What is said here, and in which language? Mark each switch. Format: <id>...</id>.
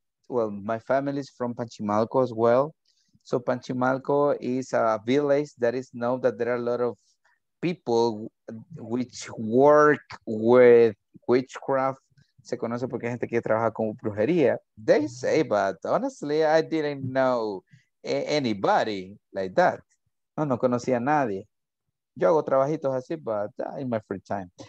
<en>My family is from Panchimalco as well. So Panchimalco is a village that is known that there are a lot of people which work with witchcraft.</en> <es>Se conoce porque hay gente que trabaja con brujería.</es> <en>They say, but honestly, I didn't know anybody like that.</en> <es>No conocía a nadie. Yo hago trabajitos así,</es> <en>but in my free time.</en>